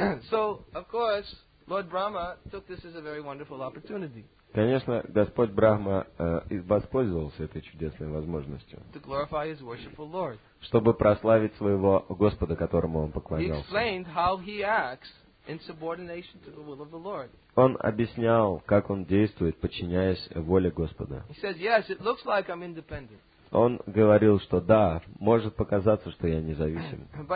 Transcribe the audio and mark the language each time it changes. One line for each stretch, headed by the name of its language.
English: So, of course, Lord Brahma took this as a very wonderful opportunity.
Russian: Конечно, Господь Брахма воспользовался этой чудесной возможностью.
English: To glorify his worshipful Lord.
Russian: Чтобы прославить своего Господа, которому он поклонялся.
English: He explained how he acts in subordination to the will of the Lord.
Russian: Он объяснял, как он действует, подчиняясь воле Господа.
English: He says, "Yes, it looks like I'm independent."
Russian: Он говорил, что да, может показаться, что я независим.